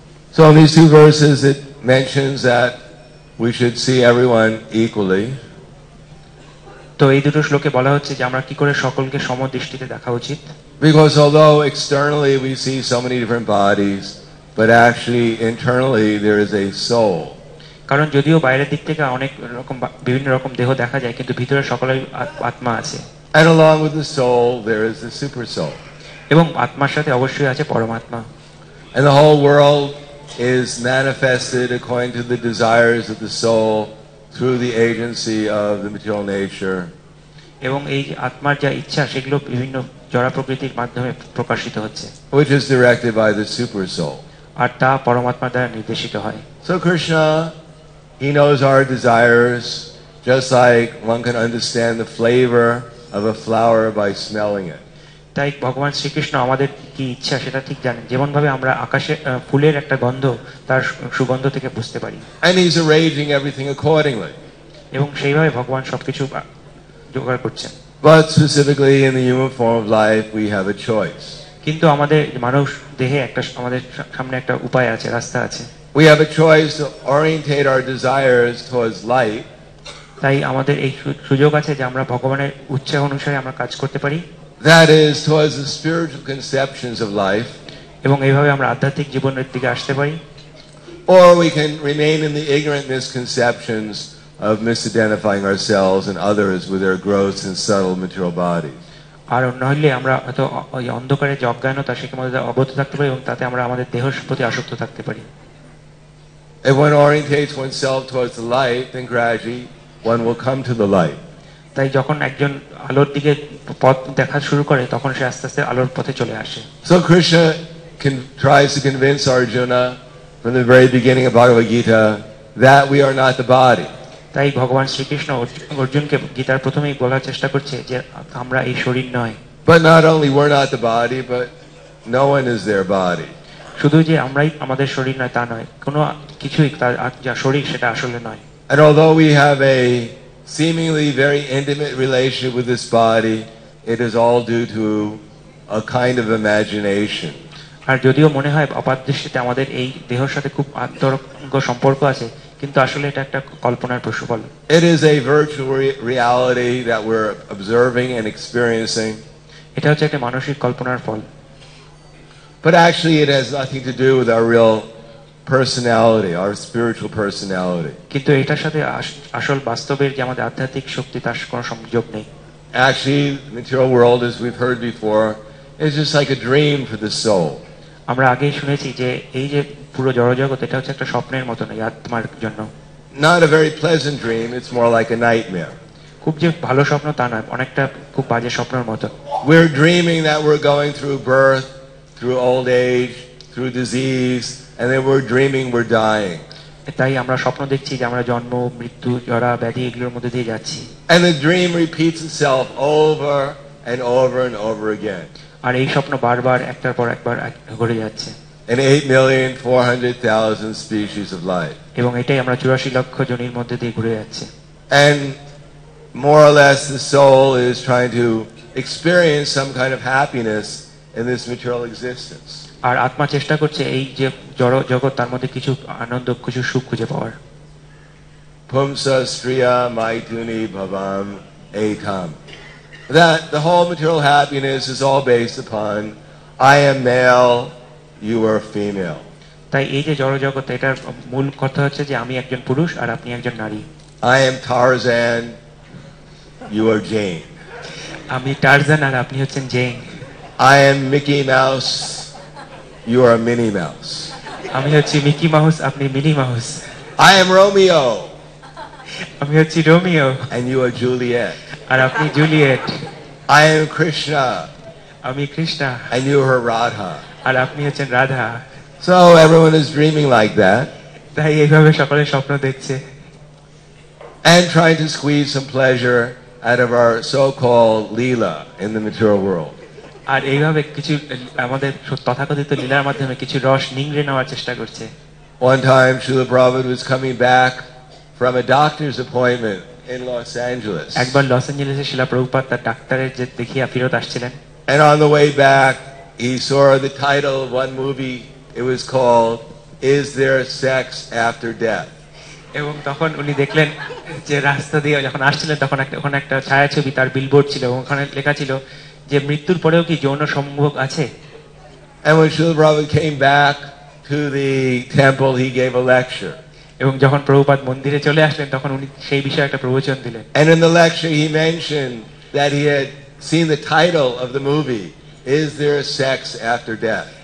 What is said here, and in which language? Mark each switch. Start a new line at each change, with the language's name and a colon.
English: So in these two verses it mentions that we should see everyone equally.
Bangla: তো এই দুটো শ্লোকে বলা হচ্ছে যে আমরা কি করে সকলকে সমদৃষ্টিতে দেখা উচিত?
English: Because although externally we see so many different bodies, but actually internally there is a soul.
Bangla: কারণ যদিও বাইরের দিক থেকে অনেক রকম বিভিন্ন রকম দেহ দেখা যায় কিন্তু ভিতরে সকলের আত্মা আছে.
English: And along with the soul, there is the super soul.
Bangla: এবং আত্মার সাথে অবশ্যই আছে পরমাত্মা।
English: And the whole world is manifested according to the desires of the soul through the agency of the material nature.
Bangla: এবং এই আত্মার যা ইচ্ছা সেগুলো বিভিন্ন জড় প্রকৃতির মাধ্যমে প্রকাশিত হচ্ছে।
English: Which is directed by the super soul.
Bangla: আর তা পরমাত্মা দ্বারা নির্দেশিত হয়।
English: So Krishna, he knows our desires just like one can understand the flavor of a flower by smelling it.
Bangla: তাই ভগবান শ্রীকৃষ্ণ আমাদের কি ইচ্ছা সেটা ঠিক জানেন, যেমন ভাবে আমরা আকাশে ফুলের একটা গন্ধ তার সুগন্ধ থেকে বুঝতে পারি।
English: And he is arranging everything accordingly.
Bangla: এবং সেইভাবে ভগবান সবকিছু জোগাড় করছেন।
English: But specifically in the human form of life we have a choice.
Bangla: কিন্তু আমাদের মানুষ দেহে একটা আমাদের সামনে একটা উপায় আছে, রাস্তা আছে।
English: We have a choice to orientate our desires towards light.
Bangla: তাই আমাদের এই সুযোগ আছে যে আমরা ভগবানের ইচ্ছা অনুসারে আমরা কাজ করতে পারি।
English: That is towards the spiritual conceptions of life.
Bangla: এবং এইভাবে আমরা আধ্যাত্মিক জীবনের দিকে আসতে পারি।
English: Or we can remain in the ignorant misconceptions of misidentifying ourselves and others with their gross and subtle material bodies.
Bangla: আর নইলে আমরা হয়তো ওই অন্ধকারে যে অজ্ঞানতা সেকে মধ্যে অবদ্ধ থাকতে পারি এবং তাতে আমরা আমাদের দেহের প্রতি আসক্ত থাকতে পারি।
English: If one orientates oneself towards the light, then gradually one will come to the light.
Bangla: তাই যখন একজন আলোর দিকে পথ দেখা শুরু করে তখন সে আস্তে আস্তে আলোর পথে চলে আসে।
English: So Krishna tries to convince Arjuna from the very beginning of Bhagavad Gita that we are not the body.
Bangla: তাই ভগবান শ্রীকৃষ্ণ অর্জুনকে গীতার প্রথমেই বলার চেষ্টা করছে যে আমরা এই শরীর নয়।
English: But not only we're not the body, but no one is their body.
Bangla: শুধু যে আমরাই আমাদের শরীর নয় তা নয়, কোনো কিছুই তার যা শরীর সেটা আসলে নয়।
English: And although we have a seemingly very intimate relationship with this body, it is all due to a kind of imagination.
Bangla: আর যদিও মনে হয় অপাদৃষ্টিতে আমাদের এই দেহের সাথে খুব আন্তরঙ্গ সম্পর্ক আছে, কিন্তু আসলে এটা একটা কল্পনার প্রসফল।
English: It is a virtual reality that we're observing and experiencing.
Bangla: এটা হচ্ছে একটা মানসিক কল্পনার ফল।
English: But actually it has nothing to do with our real personality, our spiritual personality.
Bangla: কিন্তু এটার সাথে আসল বাস্তবের যে আমাদের আধ্যাত্মিক শক্তি তার কোনো সংযোগ নেই।
English: Actually the material world as we've heard before is just like a dream for the soul.
Bangla: আমরা আগে শুনেছি যে এই যে পুরো জড়জগৎ এটা হচ্ছে একটা স্বপ্নের মতো না আত্মার জন্য।
English: Not a very pleasant dream, it's more like a nightmare.
Bangla: খুব যে ভালো স্বপ্ন তা নয়, অনেকটা খুব বাজে স্বপ্নের মতো।
English: We're dreaming that we're going through birth, through old age, through disease, and then we're dreaming we're dying.
Bangla: তাই আমরা স্বপ্ন দেখছি যে আমরা জন্ম মৃত্যু জরা ব্যাধি এগুলোর মধ্যে দিয়ে যাচ্ছি।
English: And the dream repeats itself over and over and over again.
Bangla: আর এই স্বপ্ন বারবার একটার পর একবার ঘুরে যাচ্ছে।
English: And 8,400,000 species of life.
Bangla: এবং এটাই আমরা 84 লক্ষ জনের মধ্যে দিয়ে ঘুরে যাচ্ছে।
English: And more or less the soul is trying to experience some kind of happiness in this material existence.
Bangla: আর আত্মা চেষ্টা করছে এই যে জড় জগৎ তার মধ্যে কিছু আনন্দ কিছু সুখ খুঁজে পাওয়ার।
Sanskrit: Pumsa Sriya Maituni Bhavam Etam.
English: That the whole material happiness is all based upon I am male, you are female.
Bangla: তাই এই যে জড় জগৎ এটার মূল কথা হচ্ছে যে আমি একজন পুরুষ আর আপনি একজন নারী।
English: I am Tarzan, you are Jane.
Bangla: আমি টারজান আর আপনি হচ্ছেন gen.
English: I am Mickey Mouse, you are Minnie Mouse.
Bangla: আমি হচ্ছি মিকি মাউস, আপনি mini mouse.
English: I am Romeo.
Bangla: আমি হচ্ছি Romeo.
English: And you are Juliet.
Bangla: আর আপনি জুলিয়েট।
English: I am Krishna.
Bangla: আমি Krishna.
English: And you are Radha.
Bangla: আর আপনি হচ্ছেন Radha.
English: So everyone is dreaming like that.
Bangla: তাই এইভাবে সকলে স্বপ্ন দেখছে।
English: And trying to squeeze some pleasure out of our so-called leela in the material world.
Bangla: আর এইভাবে কিছু আমাদের তথাকথিত লীলার মাধ্যমে কিছু রস নিংড়ে নেওয়ার চেষ্টা করছে।
English: One time Srila Prabhupada was coming back from a doctor's appointment in Los Angeles.
Bangla: একবার লস অ্যাঞ্জেলেসে শ্রীলা প্রভুপাদ তার ডাক্তারের যে দেখিয়ে ফিরত আসছিলেন।
English: And on the way back he saw the title of one movie. It was called Is There Sex After Death?
Bangla: এবং তখন উনি দেখলেন যে রাস্তা দিয়ে যখন আসছিলেন তখন ওখানে একটা ছায়াছবি তার বিলবোর্ড ছিল, ওখানে লেখা ছিল যে মৃত্যুর পরেও কি যৌন সম্ভোগ আছে।
English: And when Srila Prabhupada came back to the temple he gave a lecture.
Bangla: এবং যখন প্রভুপাদ মন্দিরে চলে আসলেন তখন উনি সেই বিষয়ে একটা প্রবচন দিলেন।
English: And in the lecture he mentioned that he had seen the title of the movie, Is There Sex After Death?